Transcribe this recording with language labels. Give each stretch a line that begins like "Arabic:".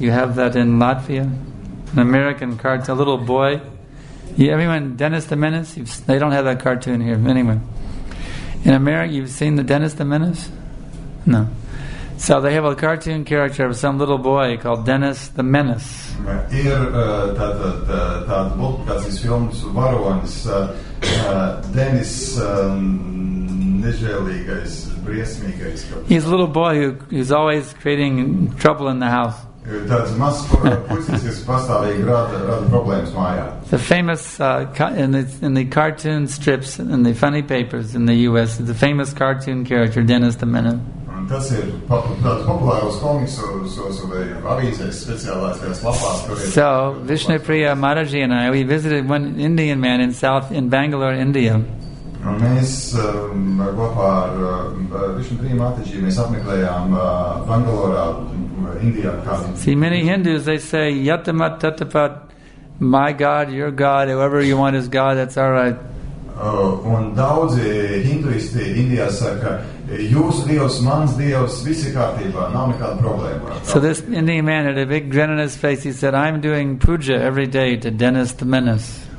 English: You have that in Latvia? An American cartoon, a little boy. Everyone, Dennis the Menace? They don't have that cartoon here. Anyway. In America, you've seen the Dennis the Menace? No. So they have a cartoon character of some little boy called Dennis the Menace.
Latvian: Ir tāds multiplikācijas filmas varonis, Dennis nežēlīgais, briesmīgais.
English: He's a little boy who is always creating trouble in the house.
Latvian: Tāds mazs puisis, kas pastāvīgi rada problēmas mājā.
English: The famous, in the cartoon strips, in the funny papers in the U.S., the famous cartoon character, Dennis the Menace.
Latvian: Tas ir tāds populāros komiksos vai avīzēs speciālās lapās, kur ir.
English: So, Vishnupriya Maharaji and I, we visited one Indian man in Bangalore, India.
Latvian: Un mēs kopā ar Vishnupriya Maharaji, mēs apmeklējām Bangalorā, Indijā.
English: See, many Hindus, they say, yatamat tatapat, my God, your God, whoever you want is God, that's all right.
Latvian: Un daudzi hinduisti Indijā saka, jūsu Dievs, mans Dievs, visi kārtībā, nav nekāda problēma.
English: So this Indian man had a big grin on his face. He said, I'm doing puja every day to Dennis the Menace.